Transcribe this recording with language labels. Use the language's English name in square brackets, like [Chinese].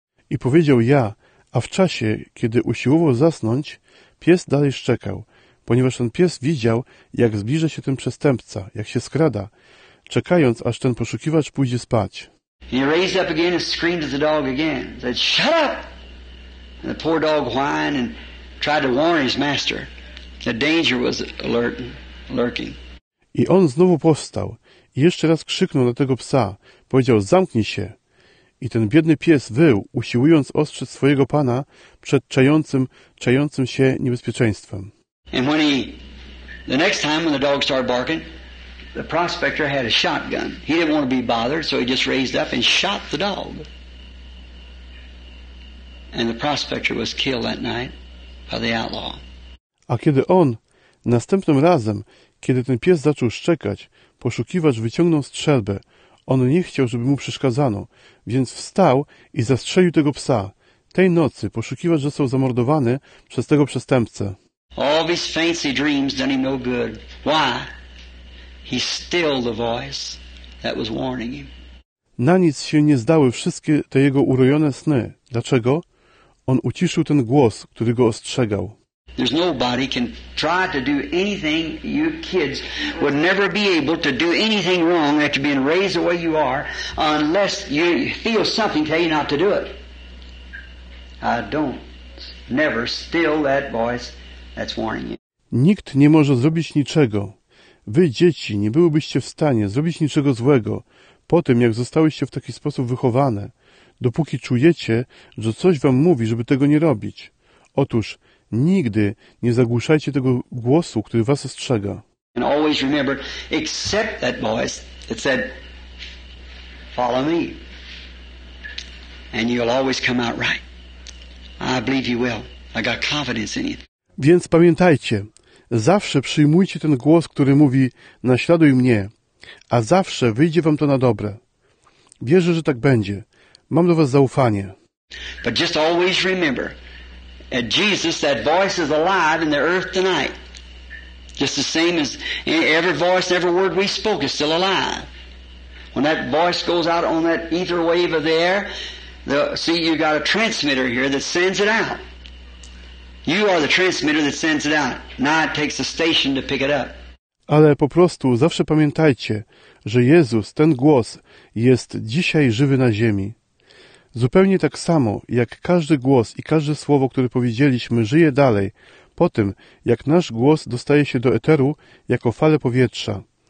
[Polish] I powiedział ja, a w czasie, kiedy usiłował zasnąć, pies dalej szczekał, ponieważ ten pies widział, jak zbliża się ten przestępca, jak się skrada, czekając, aż ten poszukiwacz pójdzie spać. [English] He raised up again and screamed at the dog again. He said, "Shut up!" And the poor dog whined and tried to warn his master. The danger was lurking. [Polish] I on znowu powstał i jeszcze raz krzyknął na tego psa. Powiedział, zamknij się. I ten biedny pies wył, usiłując ostrzec swojego pana przed czającym się niebezpieczeństwem. [English] And when the next time when the dog started barking, the prospector had a shotgun. He didn't want to be bothered, so he just raised up and shot the dog. And the prospector was killed that night by the outlaw. [Polish] A kiedy on, następnym razem, kiedy ten pies zaczął szczekać, poszukiwacz wyciągnął strzelbę. On nie chciał, żeby mu przeszkadzano, więc wstał i zastrzelił tego psa. Tej nocy poszukiwacz został zamordowany przez tego przestępcę. [English] All these fancy dreams done him no good. Why? He stilled the voice that was warning him. [Polish] Na nic się nie zdały wszystkie te jego urojone sny. Dlaczego? On uciszył ten głos, który go ostrzegał. [English] There's nobody can try to do anything. You kids would never be able to do anything wrong after being raised the way you are, unless you feel something tell you not to do it. I don't. Never still that voice that's warning you. [Polish] Nikt nie może zrobić niczego. Wy, dzieci, nie byłybyście w stanie zrobić niczego złego po tym, jak zostałyście w taki sposób wychowane, dopóki czujecie, że coś wam mówi, żeby tego nie robić. Otóż nigdy nie zagłuszajcie tego głosu, który was ostrzega. [English] And always remember, except that voice that said, follow me, and you'll always come out right. I believe you will. I got confidence in you. [Polish] Więc pamiętajcie, zawsze przyjmujcie ten głos, który mówi, naśladuj mnie, a zawsze wyjdzie wam to na dobre. Wierzę, że tak będzie. Mam do was zaufanie. [English] But just always remember, at Jesus, that voice is alive in the earth tonight. Just the same as every voice, every word we spoke is still alive. When that voice goes out on that ether wave of the air, see, you got a transmitter here that sends it out. You are the transmitter that sends it out. Now it takes a station to pick it up. [Polish] Ale po prostu zawsze pamiętajcie, że Jezus, ten głos, jest dzisiaj żywy na ziemi. Zupełnie tak samo, jak każdy głos i każde słowo, które powiedzieliśmy, żyje dalej, po tym, jak nasz głos dostaje się do eteru jako fale powietrza.